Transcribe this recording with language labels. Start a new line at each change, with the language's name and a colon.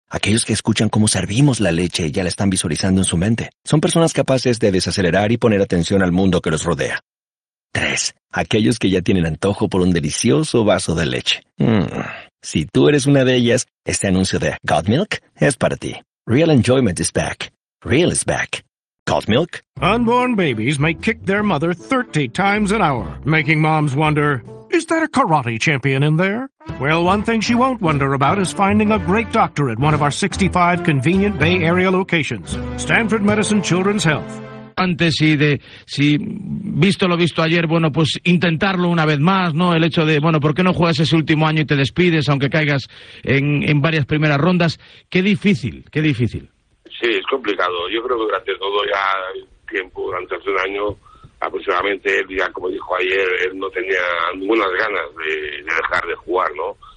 Spanish: Aquellos que escuchan cómo servimos la leche y ya la están visualizando en su mente. Son personas capaces de desacelerar y poner atención al mundo que los rodea. 3. Aquellos que ya tienen antojo por un delicioso vaso de leche. Si tú eres una de ellas, este anuncio de Got Milk es para ti.
English: Real enjoyment is back. Real is back. Got Milk? Unborn babies may kick their mother 30 times an hour, making moms wonder, is that a karate champion in there? Well, one thing she won't wonder about is finding a great doctor at one of our 65 convenient Bay Area locations. Stanford Medicine Children's Health.
Spanish: Antes y de si visto lo visto ayer, bueno, pues intentarlo una vez más, ¿no? El hecho de, bueno, ¿por qué no juegas ese último año y te despides, aunque caigas en varias primeras rondas? Qué difícil. Sí, es complicado. Yo creo que durante todo ya tiempo, durante hace un año aproximadamente, él ya, como dijo ayer, él no tenía ninguna ganas de dejar de jugar, ¿no?